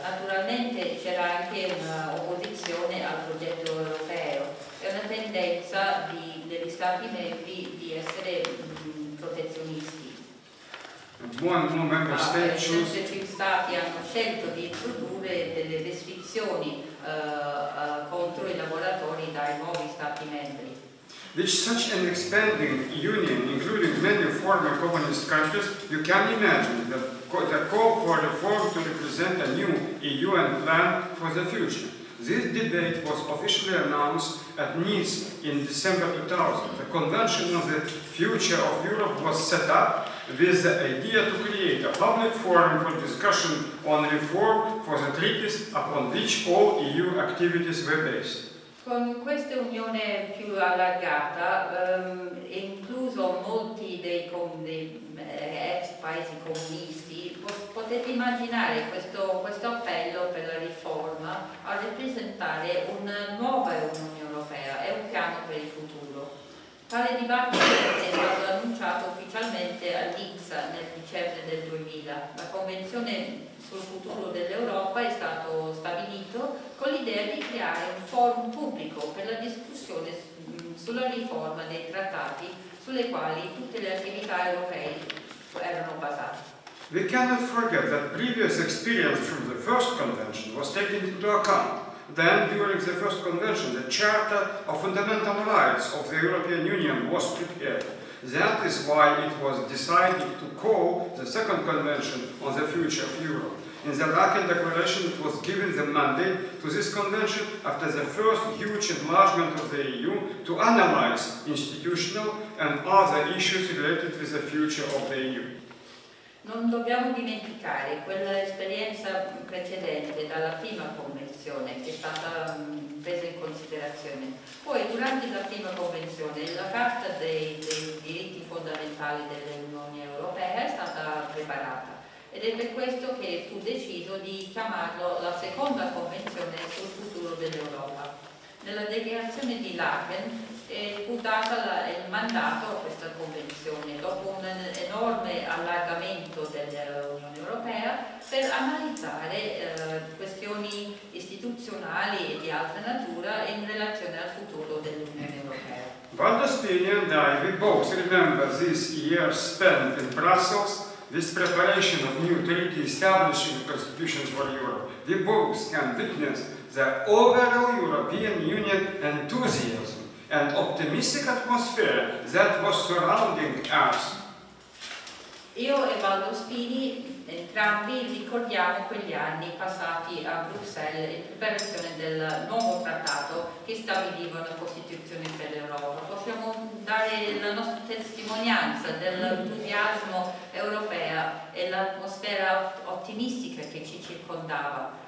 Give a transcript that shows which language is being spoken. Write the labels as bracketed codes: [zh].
[it] Naturalmente c'era anche un'opposizione al progetto europeo e una tendenza degli stati membri di essere protezionisti. Molti stati hanno scelto di introdurre delle restrizioni contro i lavoratori dai nuovi stati membri. [en] which such an expanding union, including many former communist countries, you can imagine the call for the forum to represent a new EU and plan for the future. This debate was officially announced at Nice in December 2000. The Convention on the Future of Europe was set up with the idea to create a public forum for discussion on reform for the treaties upon which all EU activities were based. [it] Con questa unione più allargata, incluso molti dei ex paesi comunisti, potete immaginare questo appello per la riforma a rappresentare una nuova Unione Europea e un piano per il futuro. Tale dibattito è stato annunciato ufficialmente a Nizza nel dicembre del 2000. La Convenzione sul futuro dell'Europa è stato stabilito con l'idea di creare un forum pubblico per la discussione sulla riforma dei trattati sulle quali tutte le attività europee erano basate. [en] We cannot forget that previous experience from the first convention was taken into account. Then, during the first convention, the Charter of Fundamental Rights of the European Union was prepared. That is why it was decided to call the second convention on the future of Europe. In the Laeken Declaration, it was given the mandate to this convention after the first huge enlargement of the EU to analyze institutional and other issues related with the future of the EU. [it] Non dobbiamo dimenticare quell'esperienza precedente dalla prima convenzione che è stata presa in considerazione. Poi, durante la prima convenzione, la Carta dei diritti fondamentali dell'Unione Europea è stata preparata ed è per questo che fu deciso di chiamarlo la seconda convenzione sul futuro dell'Europa. Nella dichiarazione di Laeken fu dato il mandato a questa convenzione dopo un enorme allargamento dell'Unione Europea per analizzare questioni istituzionali e di altra natura in relazione al futuro dell'Unione Europea. [en] Valdo Spini and I, we both remember this year spent in Brussels, this preparation of new treaty establishing constitutions for Europe. We both can witness the overall European Union enthusiasm and optimistic atmosphere that was surrounding us. [it] Io e Valdo Spini, entrambi, ricordiamo quegli anni passati a Bruxelles in preparazione del nuovo trattato che stabiliva la Costituzione per l'Europa. Possiamo dare la nostra testimonianza dell'entusiasmo europeo e l'atmosfera ottimistica che ci circondava.